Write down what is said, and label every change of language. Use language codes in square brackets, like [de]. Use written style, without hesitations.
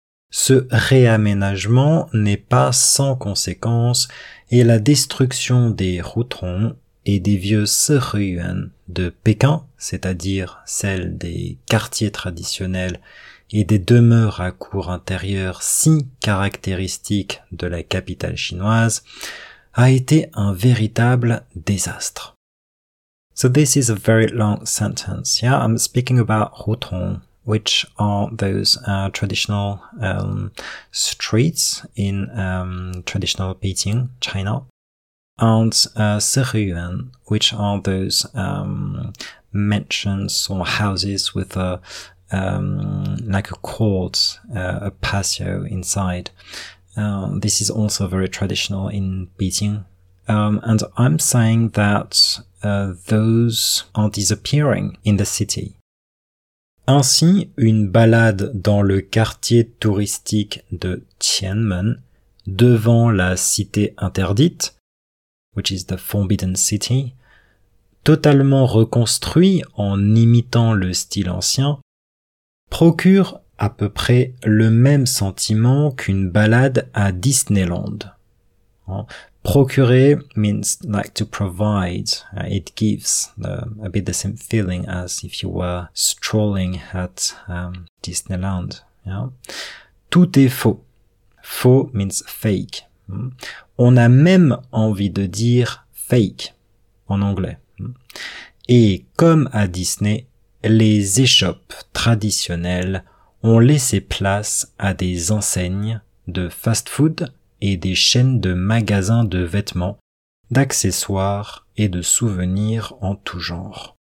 [fr] Ce réaménagement n'est pas sans conséquence et la destruction des Ruthong et des vieux Seruyuan de Pékin, c'est-à-dire celle des quartiers traditionnels et des demeures à cour intérieure si caractéristiques de la capitale chinoise, a été un véritable désastre. [en] So this is a very long sentence. Yeah, I'm speaking about Ruthong, which are those traditional streets in traditional Beijing, China, and Seruyuan, which are those mansions or houses with a like a court, a patio inside. This is also very traditional in Beijing. And I'm saying that those are disappearing in the city. [fr] Ainsi, une balade dans le quartier touristique de Tianmen, devant la cité interdite, [en] which is the Forbidden City, [fr] totalement reconstruit en imitant le style ancien, procure à peu près le même sentiment qu'une balade à Disneyland. [en] Procurer means like to provide. It gives a bit the same feeling as if you were strolling at Disneyland. Yeah? [fr] Tout est faux. Faux [en] means fake. [fr] On a même envie de dire fake en anglais. Et comme à Disney, les échoppes traditionnelles ont laissé place à des enseignes de fast-food et des chaînes de magasins de vêtements, d'accessoires et de souvenirs en tout genre.